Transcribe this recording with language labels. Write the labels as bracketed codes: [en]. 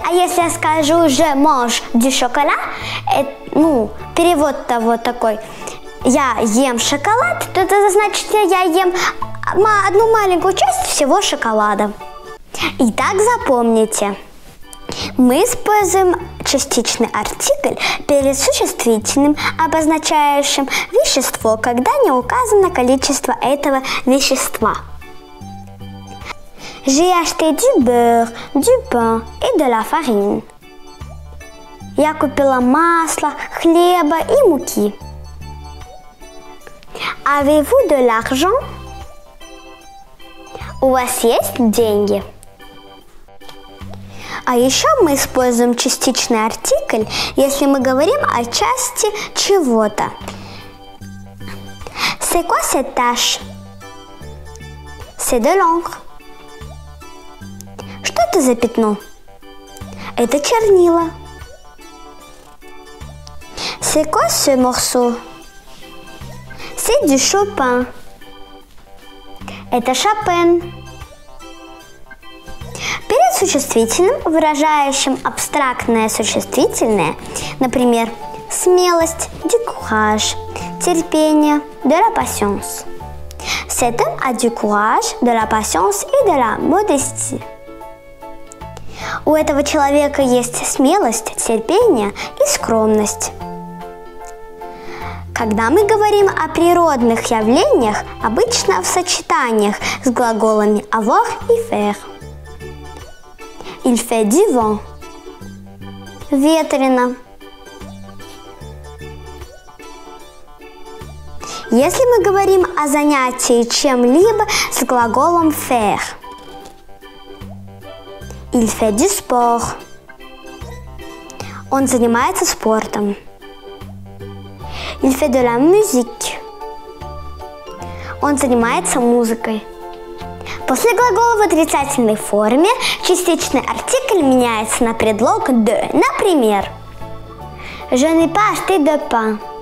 [ru] А если я скажу [fr] «je mange du chocolat», [ru] перевод-то вот такой, «я ем шоколад», то это значит, что я ем одну маленькую часть всего шоколада. Итак, запомните. Мы используем частичный артикль перед существительным, обозначающим вещество, когда не указано количество этого вещества. [fr] J'ai acheté du beurre, du pain et de la farine. [ru] Я купила масло, хлеба и муки. [fr] Avez-vous de l'argent? [ru] У вас есть деньги? А еще мы используем частичный артикль, если мы говорим о части чего-то. [fr] C'est quoi cette tâche? C'est de l'encre. [ru] Что это за пятно? Это чернила. [fr] C'est quoi ce morceau? C'est du Chopin. [ru] Это Шопен. Перед существительным, выражающим абстрактное существительное, например, смелость, [fr] du courage, [ru] терпение, [fr] de la patience. C'est un à du courage, de la patience et de la modestie. [ru] У этого человека есть смелость, терпение и скромность. Когда мы говорим о природных явлениях, обычно в сочетаниях с глаголами avoir и faire. [fr] Il fait du vent. [ru] Ветрено. Если мы говорим о занятии чем-либо с глаголом faire. [fr] Il fait du sport. [ru] Он занимается спортом. [fr] Il fait de la musique. [ru] Он занимается музыкой. После глагола в отрицательной форме частичный артикль меняется на предлог «de». Например, [fr] «Je n'ai pas acheté de pain».